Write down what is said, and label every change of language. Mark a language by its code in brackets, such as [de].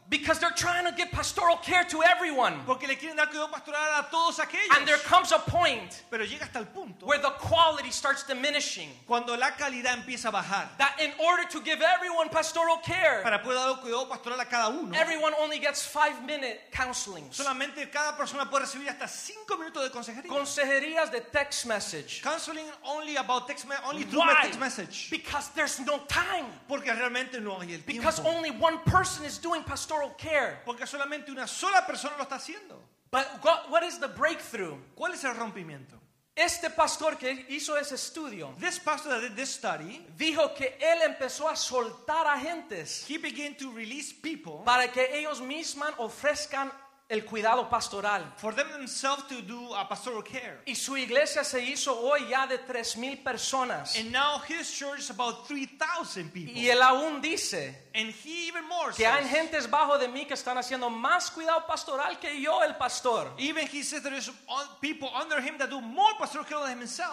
[en] Because they're trying to give pastoral care to everyone. [es] Porque le quieren dar cuidado pastoral a todos aquellos. [en] And there comes a point. [es] Pero llega hasta el punto. [en] Where the quality starts diminishing. [es] Cuando la calidad empieza a bajar. [en] That in order to give everyone pastoral care. [es] Para poder dar cuidado pastoral a cada uno. [en] Everyone only gets 5-minute counseling. [es] Solamente cada persona puede recibir hasta 5 minutos de consejería. Consejerías de text message. [en] Counseling only about text message. Only through Why? My text message. Because there's no time. [es] Porque realmente no hay el tiempo. [en] Because only one person is doing pastoral care. [es] Porque solamente una sola persona lo está haciendo. [en] But what is the breakthrough? [es] ¿Cuál es el rompimiento? Este pastor que hizo ese estudio, [en] this pastor that did this study, [es] dijo que él empezó a soltar a gentes. [en] He began to release people [es] para que ellos mismos ofrezcan el cuidado pastoral. [en] For them themselves to do a pastoral care. [es] Y su iglesia se hizo hoy ya de 3,000 personas. [en] And now his church is about 3,000 people. [es] Y él aún dice, [en] and he even more [es] que [en] says, [es] hay gentes bajo de mí que están haciendo más cuidado pastoral que yo, el pastor. [en] Even he says there is people under him that do more pastoral care than himself.